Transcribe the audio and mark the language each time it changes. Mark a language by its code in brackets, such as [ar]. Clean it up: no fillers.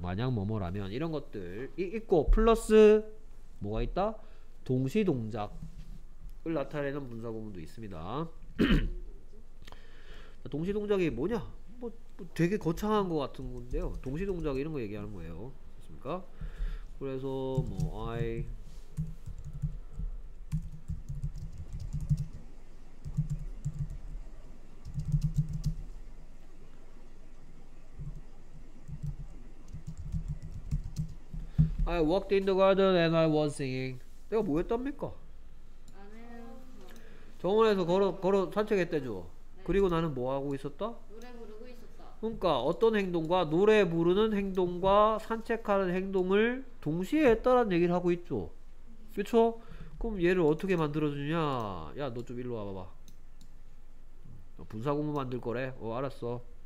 [ko] 만약 뭐뭐라면 이런 것들 있고, 플러스 뭐가 있다? 동시동작 을 나타내는 분사구문도 있습니다. 동시동작이 뭐냐? 뭐 되게 거창한 것 같은 건데요. 동시동작 이런 거 얘기하는 거예요. 그렇습니까? 그래서 뭐 [en] I walked in the garden and I was singing. [ko] 내가 뭐 했답니까? 정원에서 걸어 산책했대죠. 네. 그리고 나는 뭐 하고 있었다? 노래 부르고 있었다. 그러니까 어떤 행동과 노래 부르는 행동과 산책하는 행동을 동시에 했다라는 얘기를 하고 있죠. 그렇죠? 그럼 얘를 어떻게 만들어 주냐? 야, 너 좀 일로 와봐. 분사구문 만들 거래. 어, 알았어.